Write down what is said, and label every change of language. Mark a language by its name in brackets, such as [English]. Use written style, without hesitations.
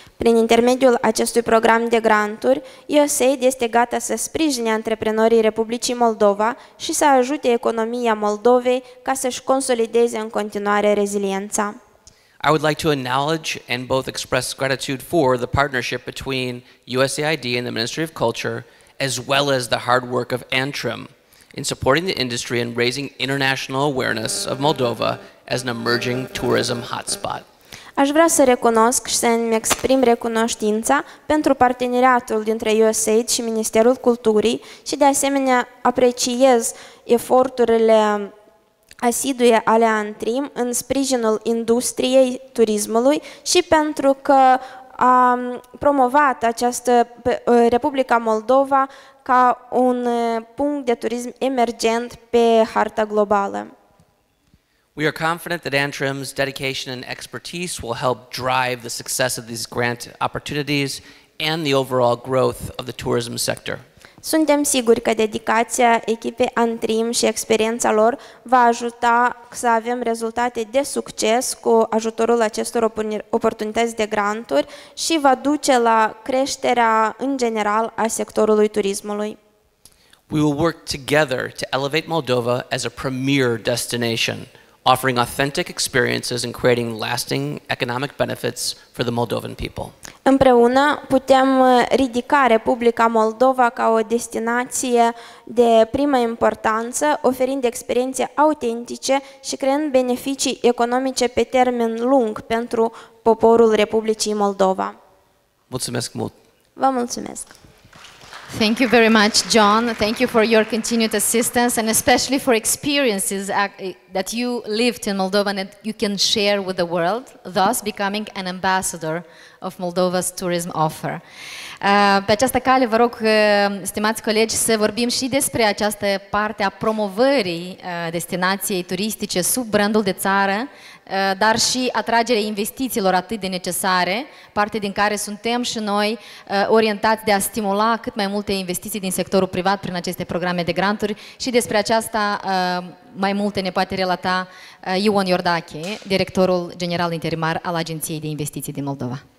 [Romanian] Prin intermediul acestui program de granturi, USAID este gata să sprijine antreprenorii Republicii Moldova și să ajute economia Moldovei ca să-și consolideze în continuare reziliența. [English] I would like to acknowledge and both express gratitude for the partnership between USAID and the Ministry of Culture, as well as the hard work of Antrim in supporting the industry and raising international awareness of Moldova as an emerging tourism hotspot. [Romanian] Aș vrea să recunosc și să-mi exprim recunoștința pentru parteneriatul dintre USAID și Ministerul Culturii și de asemenea apreciez eforturile asiduie ale Antrim în sprijinul industriei turismului și pentru că a promovat această Republica Moldova ca un punct de turism emergent pe harta globală. [English] We are confident that Antrim's dedication and expertise will help drive the success of these grant opportunities and the overall growth of the tourism sector. [Romanian] Suntem siguri că dedicația echipei Antrim și experiența lor va ajuta să avem rezultate de succes cu ajutorul acestor oportunități de granturi și va duce la creșterea în general a sectorului turismului. [English] We will work together to elevate Moldova as a premier destination, offering authentic experiences and creating lasting economic benefits for the Moldovan people. [Romanian] Împreună putem ridica Republica Moldova ca o destinație de primă importanță, oferind experiențe autentice și creând beneficii economice pe termen lung pentru poporul Republicii Moldova. Mulțumesc mult. Vă mulțumesc. [English] Thank you very much, John. Thank you for your continued assistance and especially for experiences that you lived in Moldova and that you can share with the world, thus becoming an ambassador of Moldova's tourism offer. [Romanian] Pe această cale, vă rog, stimați colegi, să vorbim și despre această parte a promovării destinației turistice sub brandul de țară, dar și atragerea investițiilor atât de necesare, parte din care suntem și noi orientați de a stimula cât mai multe investiții din sectorul privat prin aceste programe de granturi și despre aceasta mai multe ne poate relata Ion Iordache, directorul general interimar al Agenției de Investiții din Moldova.